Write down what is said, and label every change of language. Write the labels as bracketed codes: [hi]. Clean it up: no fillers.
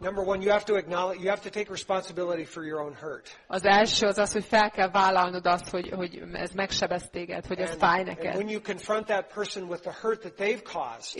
[en] Number one, you have to acknowledge, you have to take responsibility for your own hurt. [hu] Az első az, hogy fel kell vállalnod azt, hogy ez megsebezt téged, hogy ez fáj neked. [en] And when you confront that person with the hurt that they've caused.